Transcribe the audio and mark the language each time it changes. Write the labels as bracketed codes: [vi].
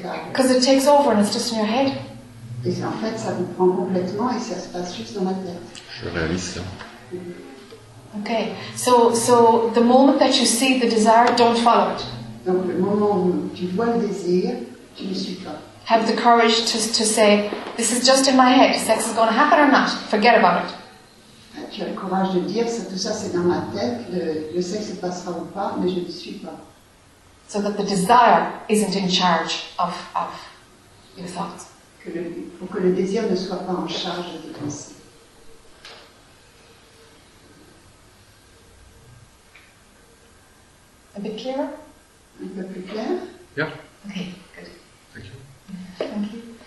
[en] Because it takes over and it's just in your head. [fr] Et en fait, ça vous prend complètement et ça se passe juste dans la tête. Je réalise ça. [en] Okay, so the moment that you see the desire, don't follow it. [fr] Donc le moment où tu vois le désir, tu ne suis pas. [en] Have the courage to say, this is just in my head. Sex is going to happen or not? Forget about it. [fr] Tu as le courage de dire ça. Tout ça, c'est dans ma tête. Le sexe passera ou pas, mais je ne suis pas. [en] So that the desire isn't in charge of your thoughts. [fr] Pour que le désir ne soit pas en charge de tes pensées. [en] A bit clearer? A bit more clear? Yeah. Okay, good. Thank you. Thank you.